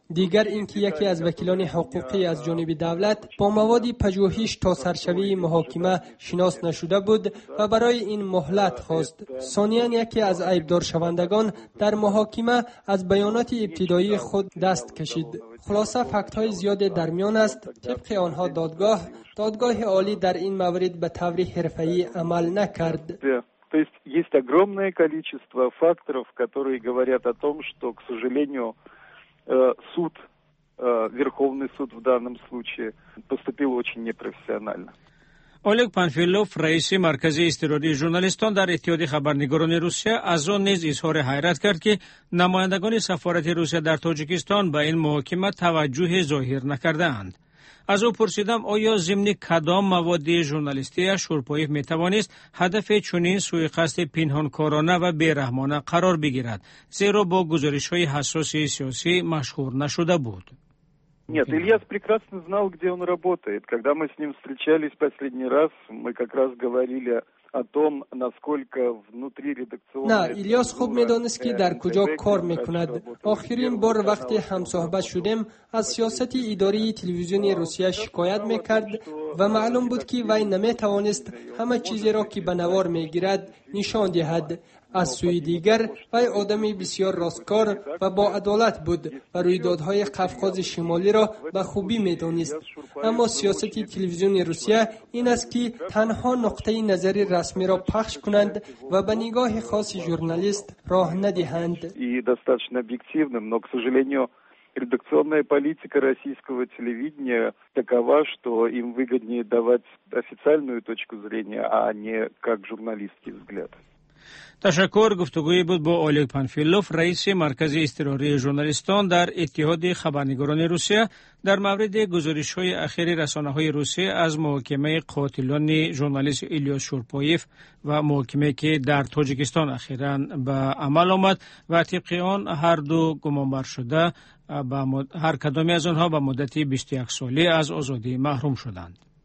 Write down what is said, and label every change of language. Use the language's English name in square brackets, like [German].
[Persian] دیگر اینکه یکی از وکیلان حقوقی از جانب دولت با مواد پژوهش تا سرشوی محاکمه شناس نشده بود و برای این مهلت خواست. ثانیاً یکی از عیبدار شوندگان در محاکمه از بیانات ابتدایی خود دست کشید. خلاصه فکت‌های زیاد در میان است. طبق آنها دادگاه عالی در این مورد به طور حرفه‌ای عمل نکرد. [Russian] То есть есть огромное количество факторов, которые говорят о том, что, к сожалению, суд, Верховный суд в данном случае поступил очень непрофессионально. [Persian] Олег Панфилов, رئیس مرکز اضطراری ژورنالیستان در اتحادیه خبرنگاران روسیه، از آن نیز اظهار حیرت کرد که نمایندگان سفارت روسیه در تاجیکستان به این محاکمه توجه ظاهر نکرده‌اند. از او پرسیدم آیا ضمن کدام مواد ژورنالیستی شورپایف می توانست هدف چنین سوءقصد پنهانکارانه و بی‌رحمانه قرار بگیرد، زیرا با گزارش‌های حساس سیاسی مشهور نشده بود. [Russian] Нет, Илья прекрасно знал, где он работает. Когда мы с ним встречались последний раз, мы как раз говорили о том, насколько внутри редакционной. [Tajik] Да, Ильяс хоб медонист, ки дар куҷо кор мекунад. Охирин бор вақти ҳамсоҳбат шудем, аз сиёсати идории телевизиони Русия шикоят мекард ва маълум буд, ки вай наметавонист ҳама чизеро, ки ба навор мегирад, нишон диҳад. [Persian] از سوی دیگر وی آدمی بسیار راستکار و با عدالت بود و رویدادهای قفقاز شمالی را به خوبی می‌دانست. اما سیاست تلویزیون روسیه این است که تنها نقطه نظر رسمی را پخش کنند و به نگاه خاص ژورنالیست راه ندهند. [Russian] و достаточно объективным, но, к сожалению, редакционная политика российского телевидения такова, что им выгоднее давать официальную точку зрения, а не как журналистский взгляд. [Persian] تشکر. گفتگویی بود با اولگ پانفیلوف، رئیس مرکز اضطراری ژورنالیستان در اتحادیه خبرنگاران روسیه، در مورد گزارش‌های اخیر رسانه‌های روسیه از محاکمه قاتلان ژورنالیست ایلیا شورپایف و محاکمه که در تاجیکستان اخیراً به عمل آمد و طبق آن هر دو گمانبر شده هر کدامی از آنها به مدتی 21 سالی از آزادی محروم شدند.